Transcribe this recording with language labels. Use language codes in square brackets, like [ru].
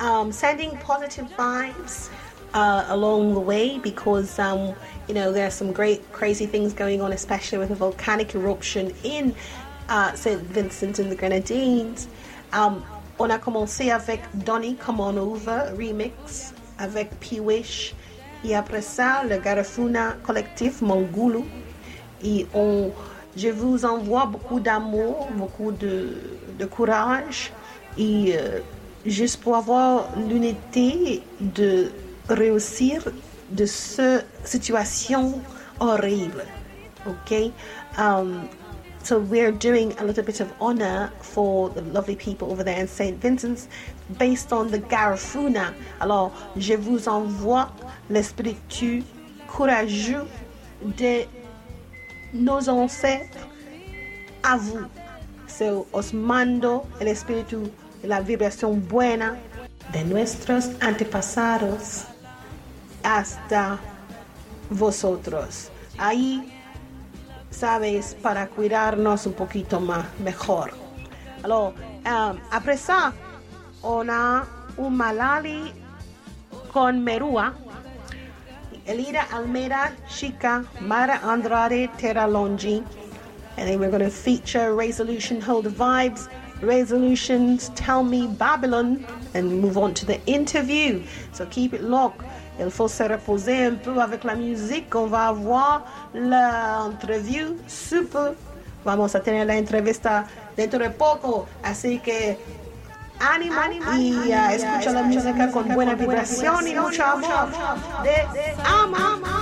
[en] Sending positive vibes along the way, because you know, there are some great crazy things going on, especially with a volcanic eruption in St. Vincent and the Grenadines. [fr] On a commencé avec Donny Come On Over remix avec P Wish, et après ça le Garafuna collectif Mangulu, et on je vous envoie beaucoup d'amour, beaucoup de courage, et juste pour avoir l'unité de réussir de cette situation horrible, ok? [en] So we're doing a little bit of honor for the lovely people over there in St. Vincent's based on the Garifuna. [fr] Alors, je vous envoie l'esprit courageux de nos ancêtres à vous. [es] So, os mando el espíritu, la vibración buena de nuestros antepasados hasta vosotros. Ahí, sabes, para cuidarnos un poquito más, mejor. [fr] Alors, après ça, on a un Malali con Merúa, Elira Almeida, Chica, Mara Andrade, Terra Longi. [en] And then we're going to feature Rayzalution, Hold the Vibes, Rayzalution's Tell Me Babylon, and move on to the interview. So keep it locked. [fr] Il faut se reposer un peu avec la musique. On va avoir l'interview super [es] vamos a tener la entrevista dentro de poco, así que ánimo y escucha la música con buena vibración y mucho amor de Ama.